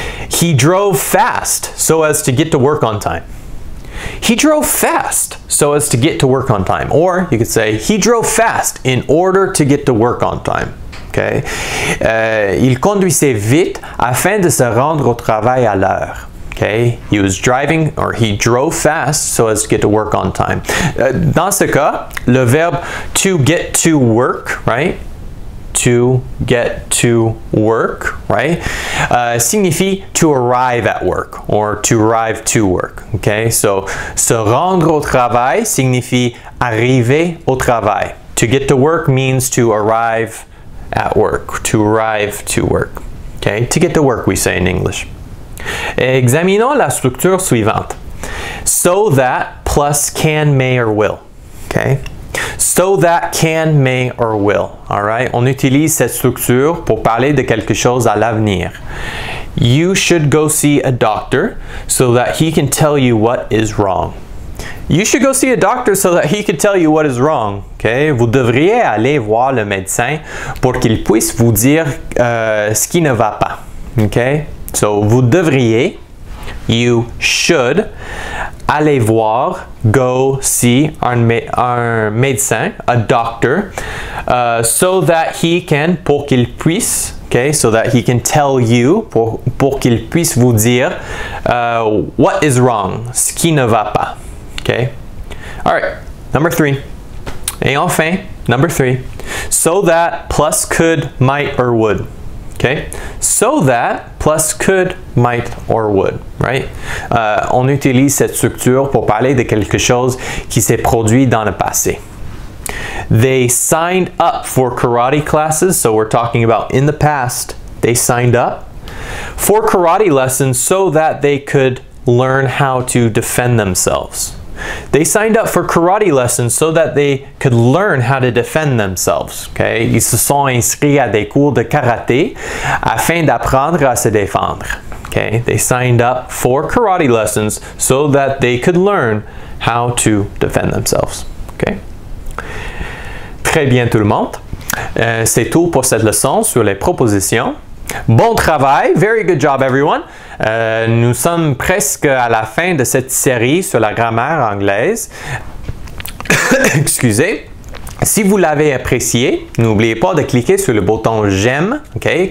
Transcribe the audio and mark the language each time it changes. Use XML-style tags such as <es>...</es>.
<en>He drove fast so as to get to work on time. He drove fast so as to get to work on time. Or you could say, he drove fast in order to get to work on time. Okay?</en> <fr>Il conduisait vite afin de se rendre au travail à l'heure.</fr> <en>Okay? He was driving or he drove fast so as to get to work on time.</en> <fr>Dans ce cas, le verbe to get to work, right?</fr> <en>To get to work, right? Signifie to arrive at work or to arrive to work.</en> <fr>Okay, so se rendre au travail signifie arriver au travail.</fr> <en>To get to work means to arrive at work, to arrive to work. Okay, to get to work, we say in English.</en> <fr>Examinons la structure suivante.</fr> <en>So that plus can, may, or will. Okay. So that can, may, or will. All right?</en> <fr>On utilise cette structure pour parler de quelque chose à l'avenir.</fr> <en>You should go see a doctor so that he can tell you what is wrong. You should go see a doctor so that he can tell you what is wrong. Okay?</en> <fr>Vous devriez aller voir le médecin pour qu'il puisse vous dire ce qui ne va pas.</fr> <en>Okay? So,</en> <fr>vous devriez,</fr> <en>you should,</en> <fr>aller voir,</fr> <en>go see</en> <fr>un médecin,</fr> <en>a doctor, so that he can,</en> <fr>pour qu'il puisse,</fr> <en>Okay, so that he can tell you,</en> <fr>pour qu'il puisse vous dire,</fr> <en>what is wrong,</en> <fr>ce qui ne va pas.</fr> <en>Okay. All right, number three.</en> <fr>Et enfin,</fr> <en>number three. So that, plus could, might, or would. Okay, so that, plus could, might, or would. Right?</en> <fr>On utilise cette structure pour parler de quelque chose qui s'est produit dans le passé.</fr> <en>They signed up for karate classes, so we're talking about in the past, they signed up for karate lessons so that they could learn how to defend themselves. They signed up for karate lessons so that they could learn how to defend themselves. Okay?</en> <fr>Ils se sont inscrits à des cours de karaté afin d'apprendre à se défendre.</fr> <en>Okay? They signed up for karate lessons so that they could learn how to defend themselves. Okay?</en> <fr>Très bien tout le monde. C'est tout pour cette leçon sur les propositions. Bon travail!</fr> <en>Very good job, everyone!</en> <fr>Nous sommes presque à la fin de cette série sur la grammaire anglaise. Excusez. Si vous l'avez apprécié, n'oubliez pas de cliquer sur le bouton « J'aime », ok?</fr>